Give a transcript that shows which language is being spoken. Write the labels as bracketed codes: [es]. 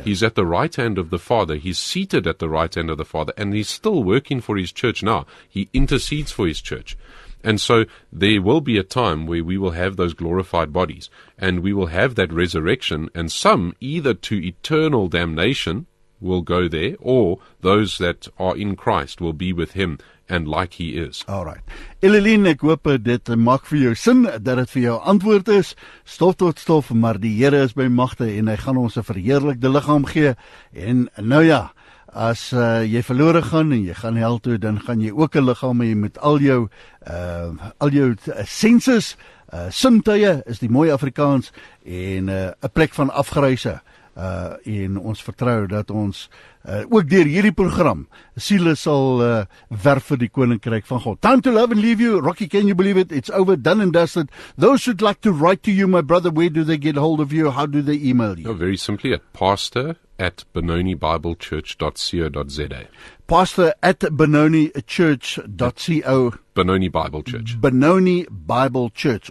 [en] He's at the right hand of the Father. He's seated at the right hand of the Father. And he's still working for his church now. He intercedes for his church. And so there will be a time where we will have those glorified bodies, and we will have that resurrection, and some, either to eternal damnation, will go there, or those that are in Christ will be with Him and like He is. All right. [af] Eleline, ek hoop dit maak vir jou sin, dat het vir jou antwoord is. Stof tot stof, maar die Here is by magte, en Hy gaan ons 'n verheerlikte liggaam gee. En nou ja, as jy verlore gaan en jy gaan hel toe, dan gaan jy ook 'n liggaam hê met al jou senses, sintuie is die mooi Afrikaans, en 'n plek van afgryse. En ons vertrou dat ons ook deur hierdie program siele sal werf vir die koninkryk van God. [en] Time to love and leave you. Rocky, can you believe it? It's over, done and dusted. Those who'd like to write to you, my brother, where do they get hold of you? How do they email you? No, very simply at pastor@benonibiblechurch.co.za. Pastor@benonichurch.co. Benoni Bible Church. Benoni Bible Church.